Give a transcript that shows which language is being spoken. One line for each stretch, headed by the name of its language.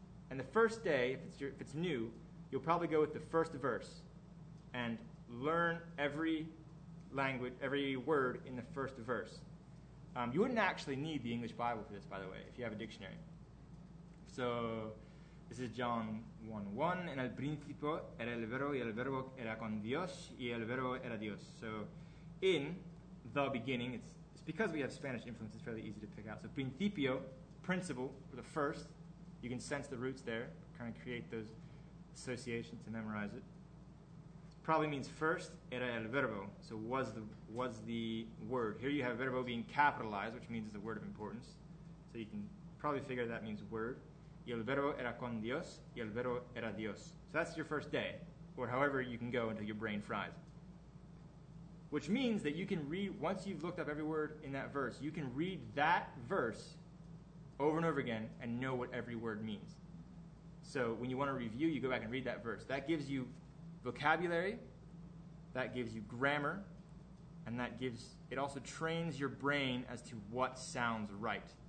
English: And the first day, if it's new, you'll probably go with the first verse and learn every language, every word in the first verse. You wouldn't actually need the English Bible for this, by the way, if you have a dictionary. So this is John 1:1.
Spanish: En el principio era el verbo, y el verbo era con Dios, y el verbo era Dios.
English: So in the beginning, it's because we have Spanish influence, it's fairly easy to pick out. So principio, principle, or the first, you can sense the roots there, kind of create those associations to memorize it. Probably means first,
Spanish: era el verbo,
English: so was the word. Here you have verbo being capitalized, which means it's a word of importance. So you can probably figure that means word.
Spanish: Y el verbo era con Dios, y el verbo era Dios.
English: So that's your first day, or however you can go until your brain fries. Which means that you can read, once you've looked up every word in that verse, you can read that verse over and over again and know what every word means. So when you want to review, you go back and read that verse. That gives you vocabulary, that gives you grammar, and it also trains your brain as to what sounds right.